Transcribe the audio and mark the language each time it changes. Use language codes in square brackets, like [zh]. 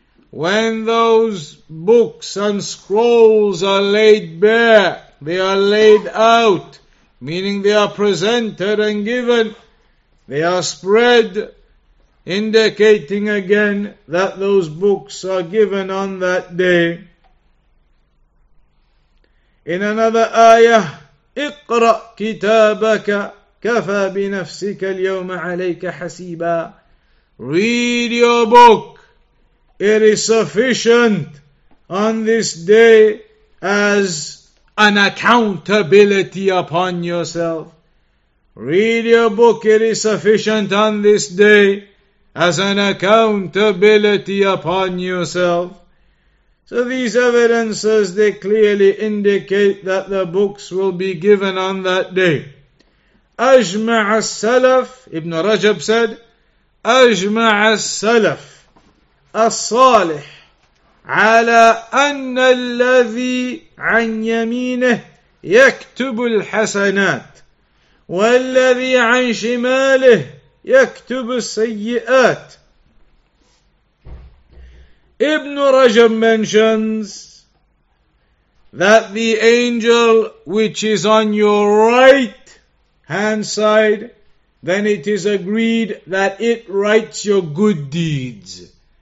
[en] When those books and scrolls are laid bare, they are laid out, meaning they are presented and given, they are spread, indicating again that those books are given on that day. In another ayah, [ar] اقرأ كتابك كفى بنفسك اليوم عليك حسيبا. [en] Read your book. It is sufficient on this day as an accountability upon yourself. Read your book. It is sufficient on this day as an accountability upon yourself. So these evidences, they clearly indicate that the books will be given on that day. [ar] Ajma' al-Salaf, [en] Ibn Rajab said, [ar] Ajma' al-Salaf الصالح على أن الذي عن يمينه يكتب الحسنات والذي عن شماله يكتب السيئات. [en] Ibn Rajab mentions that the angel which is on your right hand side, then it is agreed that it writes your good deeds.